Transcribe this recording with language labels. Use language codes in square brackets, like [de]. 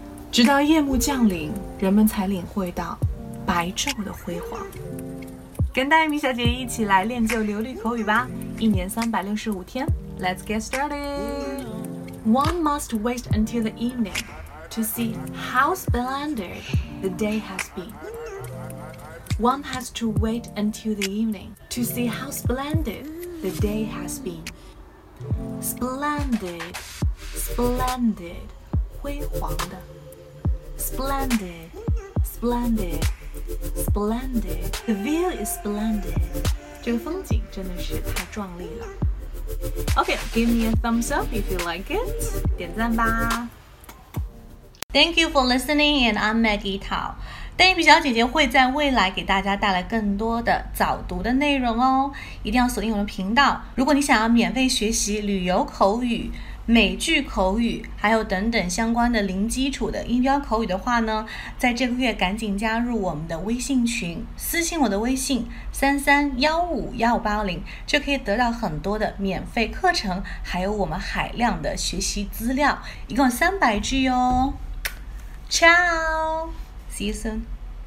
[zh] 直到夜幕降临，人们才领会到白昼的辉煌。跟大米小姐一起来练就流利口语吧，一年365天。 [en] Let's get started. One must wait until the evening to see how splendid the day has been. One has to wait until the evening to see how splendid the day has been. Splendid, splendid, 辉煌的。 Splendid, splendid, splendid. The view is splendid. [zh] 这个风景真的是太壮丽了。 [en] Okay, give me a thumbs up if you like it. [zh] 点赞吧。 [en] Thank you for listening, and I'm Maggie Tao. [zh] 大米小姐姐会在未来给大家带来更多的早读的内容哦，一定要锁定我的频道。如果你想要免费学习旅游口语、美剧口语，还有等等相关的零基础的音标口语的话呢，在这个月赶紧加入我们的微信群，私信我的微信331515180，就可以得到很多的免费课程，还有我们海量的学习资料，一共300句哦。Ciao! [en] See you soon.